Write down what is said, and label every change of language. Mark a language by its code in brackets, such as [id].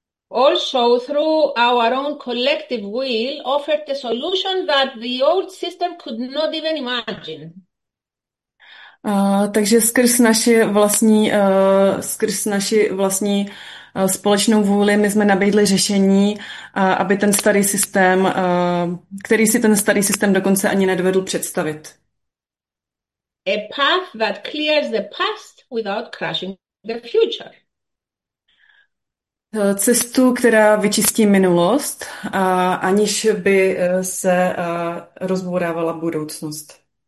[en] Also through our own collective will offered a solution that the old system could not even imagine. [cs] Takže skrz naši vlastní společnou vůli my jsme nabídli řešení, aby ten starý systém, který si ten starý systém dokonce ani nedovedl představit. [en] A path that clears the past without crushing the future. [cs] Cestu, která vyčistí minulost, aniž by se rozbourávala budoucnost.